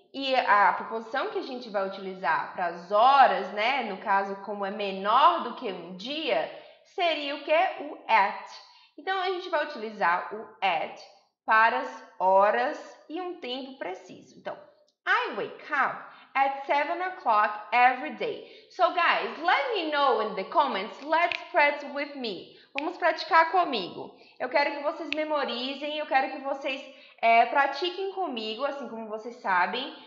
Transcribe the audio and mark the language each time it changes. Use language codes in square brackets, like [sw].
[pt] E a preposição que a gente vai utilizar para as horas, né? No caso, como é menor do que um dia, seria o quê? O at. Então, a gente vai utilizar o at para as horas e um tempo preciso. Então, [en] I wake up at 7 o'clock every day. So, guys, let me know in the comments. Let's practice with me. [pt] Vamos praticar comigo. Eu quero que vocês memorizem, eu quero que vocês pratiquem comigo, assim como vocês sabem.